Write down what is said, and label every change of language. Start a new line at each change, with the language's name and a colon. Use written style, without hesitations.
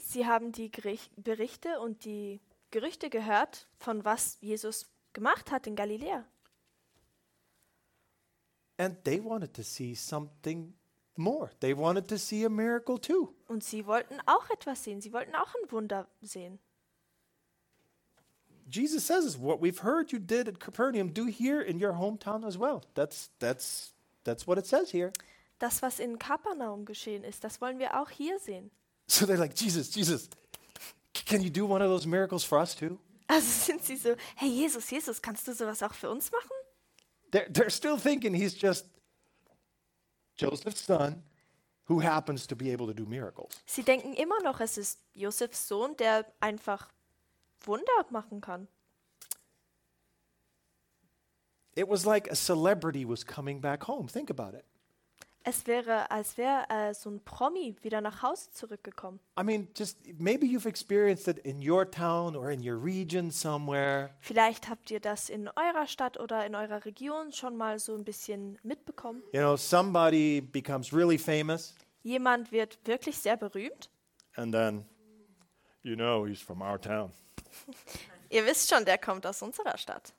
German: Sie haben die Berichte und die Gerüchte gehört, von was Jesus gemacht hat in Galiläa.
English: And they wanted to see something more. They wanted to see a miracle too.
German: Und sie wollten auch etwas sehen. Sie wollten auch ein Wunder sehen.
English: Jesus says, what we've heard you did at Capernaum, do here in your hometown as well. That's what it says here.
German: Das, was in Kapernaum geschehen ist, das wollen wir auch hier sehen.
English: So they're like, Jesus, can you do one of those miracles for us too?
German: Also sind sie so, hey Jesus, kannst du sowas auch für uns machen?
English: They're still thinking he's just Joseph's son who happens to be able to do miracles.
German: Sie denken immer noch, es ist Josephs Sohn, der einfach Wunder machen kann.
English: It was like a celebrity was coming back home. Think about it.
German: Es wäre, als wäre so ein Promi wieder nach Hause zurückgekommen.
English: I mean, just maybe you've experienced it in your town or in your region somewhere.
German: Vielleicht habt ihr das in eurer Stadt oder in eurer Region schon mal so ein bisschen mitbekommen.
English: You know, somebody becomes really famous.
German: Jemand wird wirklich sehr berühmt.
English: And then, you know, he's from our town.
German: Ihr wisst schon, der kommt aus unserer Stadt.